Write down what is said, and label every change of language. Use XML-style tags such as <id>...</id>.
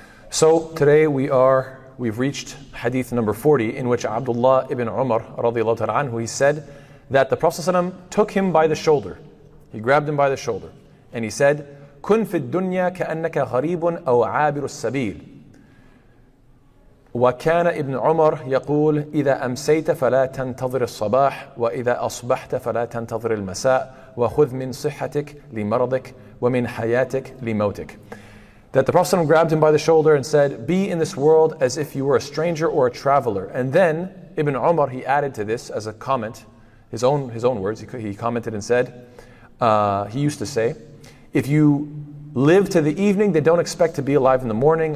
<en>So today we've reached hadith number 40, in which Abdullah ibn Umar radiallahu ta'ala anhu, he said that the Prophet ﷺ took him by the shoulder. He grabbed him by the shoulder and he said,</en> <ar>"Kun fi dunya ka'annaka gharibun aw aabiru as-sabeel." وكان ابن عمر يقول إذا أمسيت فلا تنتظر الصباح وإذا أصبحت فلا تنتظر المساء وخذ من صحتك لمرضك ومن حياتك لموتك.</ar> <en>That the Prophet ﷺ grabbed him by the shoulder and said, "Be in this world as if you were a stranger or a traveler." And then Ibn Umar, he added to this as a comment, his own words. He commented and said, he used to say, "If you live to the evening, then don't expect to be alive in the morning.</en>